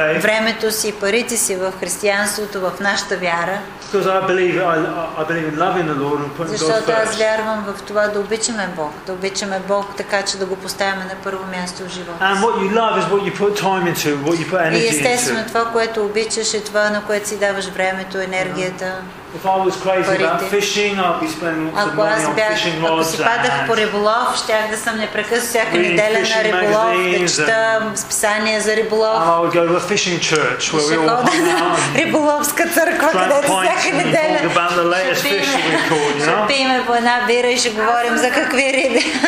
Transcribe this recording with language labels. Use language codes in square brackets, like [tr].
[bg] времето си, парите си в християнството, в нашата вяра. [en] Because I believe in loving the Lord and putting God first. [bg] Защото аз вярвам в това да обичаме Бог, да обичаме Бог, така че да го поставяме на първо място в живота. [en] And what you love is what you put time into, what you put energy into. [bg] И естествено това, което обичаш, е това, на което си даваш времето, енергията. [en] If I was crazy about fishing, I'd be spending lots of money on fishing rods. [bg] Ако си падах по риболов, щях да съм непрекъснато всяка неделя на риболов, да чета списания за риболов. [en] I would go to a fishing church where we all hung out. [bg] Риболовска църква, където всяка неделя ще пиме по една бира и ще говорим за какви риби.